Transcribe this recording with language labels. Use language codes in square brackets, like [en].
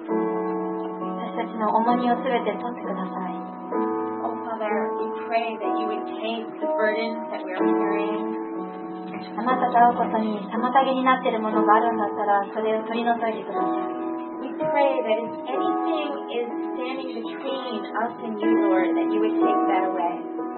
[ja] 私たちの重荷をすべて取ってください。 [en] Oh Father, we pray that you would take the burden that we are carrying. [ja] あなたと会うことに妨げになっているものがあるんだったらそれを取り除いてください。 [en] We pray that if anything is standing between us and you, Lord, that you would take that away.